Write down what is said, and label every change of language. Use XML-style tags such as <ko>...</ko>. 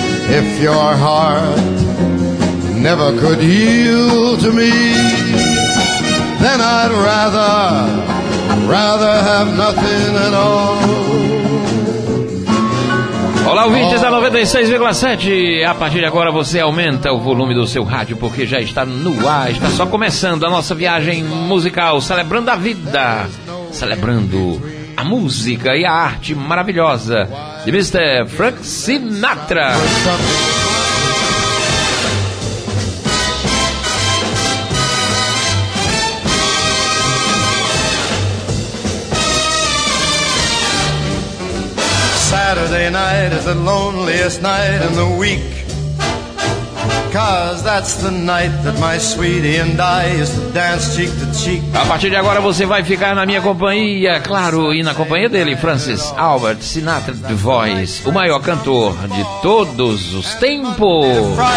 <en>If your heart never could yield to me, then I'd rather have nothing at all.</en> <pt>Olá, ouvintes da 96,7. A partir de agora você aumenta o volume do seu rádio, porque já está no ar, está só começando a nossa viagem musical, celebrando a vida, celebrando a música e a arte maravilhosa de Mr. Frank Sinatra.</pt> <en>Saturday night is the loneliest night in the week, 'cause that's the night that my sweetie and I used to dance cheek to cheek.</en> <pt>A partir de agora você vai ficar na minha companhia, claro, e na companhia dele, Francis Albert Sinatra The Voice, o maior cantor de todos os tempos.</pt>